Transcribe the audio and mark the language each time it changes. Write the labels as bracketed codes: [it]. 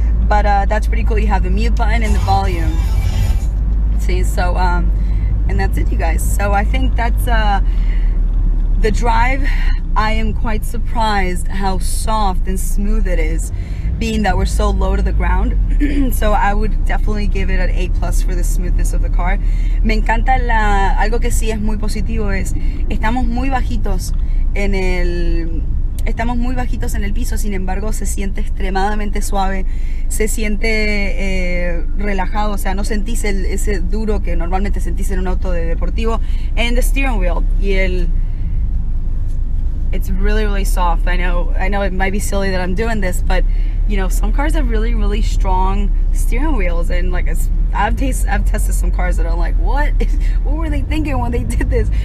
[en] But that's pretty cool. You have the mute button and the volume. See, so, and that's it, you guys. So I think that's the drive. I am quite surprised how soft and smooth it is, being that we're so low to the ground. So I would definitely give it an A+ for the smoothness of the car. [es] Me encanta la, algo que sí es muy positivo es, estamos muy bajitos en el piso, sin embargo se siente extremadamente suave, se siente relajado, o sea, no sentís ese duro que normalmente sentís en un auto de deportivo. [en] And the steering wheel, [es] y el, [en] it's really, really soft. I know it might be silly that I'm doing this, but you know, some cars have really, really strong steering wheels, and like I've tested some cars that are like, what were they thinking when they did this?